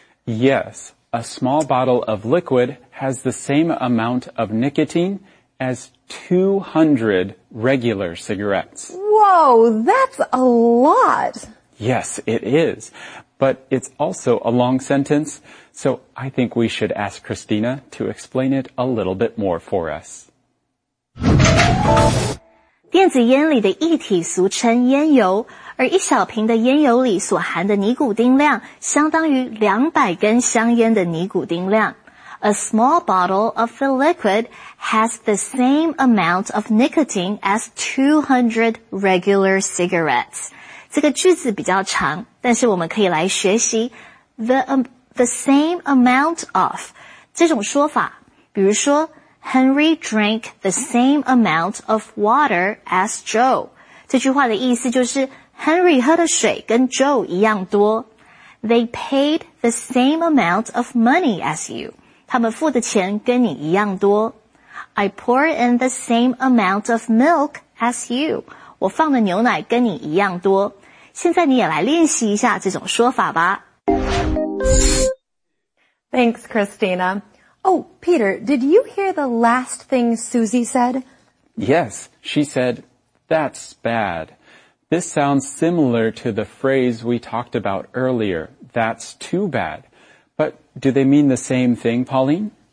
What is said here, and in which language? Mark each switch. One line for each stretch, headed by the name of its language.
English: Yes. A small bottle of liquid has the same amount of nicotine as 200 regular cigarettes. Whoa, that's a lot. Yes, it is. But it's also a long sentence, so I think we should ask Christina to explain it a little bit more for us.
Chinese: 电子烟里的液体俗称烟油，而一小瓶的烟油里所含的尼古丁量相当于200根香烟的尼古丁量。
English: A small bottle of the liquid has the same amount of nicotine as 200 regular cigarettes.
Chinese: 这个句子比较长，但是我们可以来学习
English: the same amount of
Chinese: 这种说法。比如说
English: ,Henry drank the same amount of water as Joe.
Chinese: 这句话的意思就是 Henry 喝的水跟 Joe 一样多。
English: They paid the same amount of money as you.
Chinese: 他们付的钱跟你一样多。
English: I pour in the same amount of milk as you.
Chinese: 我放的牛奶跟你一样多。现在你也来练习一下这种说法吧。
English: Thanks, Christina. Oh, Peter, did you hear the last thing Susie said? Yes, she said, that's bad. This sounds similar to the phrase we talked about earlier, that's too bad. But do they mean the same thing, Pauline?